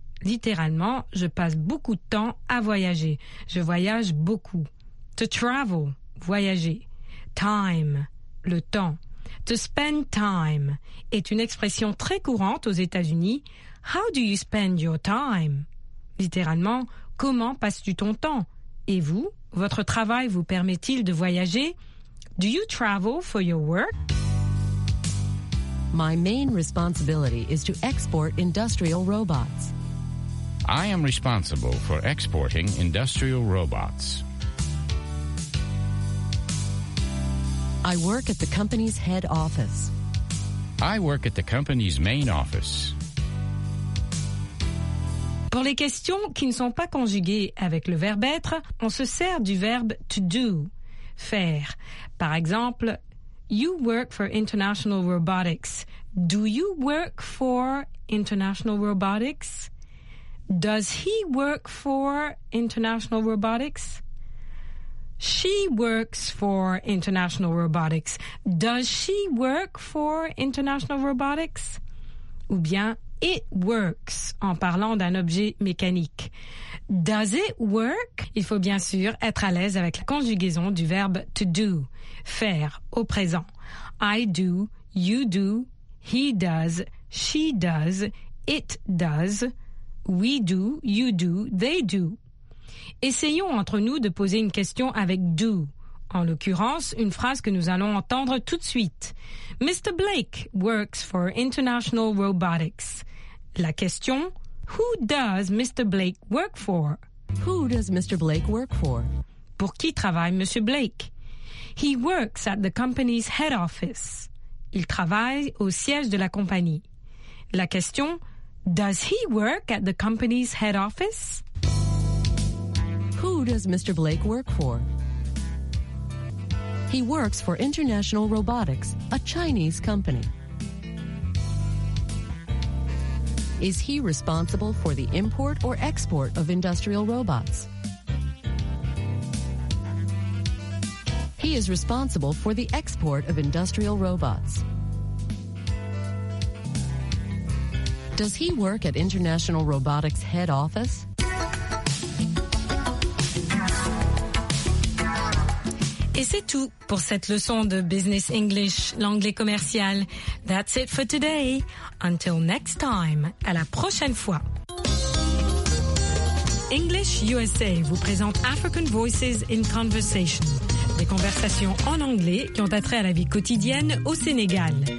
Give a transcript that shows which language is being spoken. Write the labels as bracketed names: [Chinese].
[French] Littéralement, je passe beaucoup de temps à voyager. Je voyage beaucoup. To travel, voyager. Time, le temps. To spend time est une expression très courante aux États-Unis. [English] How do you spend your time? [French] Littéralement, comment passes-tu ton temps? Et vous, votre travail vous permet-il de voyager? [English] Do you travel for your work? My main responsibility is to export industrial robots. I am responsible for exporting industrial robots. I work at the company's head office. I work at the company's main office. [French] Pour les questions qui ne sont pas conjuguées avec le verbe être, on se sert du verbe to do, faire. Par exemple, [English] You work for International Robotics. Do you work for International Robotics? Does he work for International Robotics? She works for International Robotics. Does she work for International Robotics? [French] Ou bien, [English] it works, [French] en parlant d'un objet mécanique. [English] Does it work? [French] Il faut bien sûr être à l'aise avec la conjugaison du verbe to do, faire, au présent. [English] I do, you do, he does, she does, it does, we do, you do, they do. [French] Essayons entre nous de poser une question avec do. En l'occurrence, une phrase que nous allons entendre tout de suite. [English] Mr. Blake works for International Robotics. [French] La question: [English] Who does Mr. Blake work for? Who does Mr. Blake work for? [French] Pour qui travaille Monsieur Blake? [English] He works at the company's head office. [French] Il travaille au siège de la compagnie. La question: [English] Does he work at the company's head office? Who does Mr. Blake work for? He works for International Robotics, a Chinese company. Is he responsible for the import or export of industrial robots? He is responsible for the export of industrial robots. Does he work at International Robotics head office? [French] Et c'est tout pour cette leçon de Business English, l'anglais commercial. [English] That's it for today. Until next time, [French] à la prochaine fois. English USA vous présente African Voices in Conversation, des conversations en anglais qui ont attrait à la vie quotidienne au Sénégal.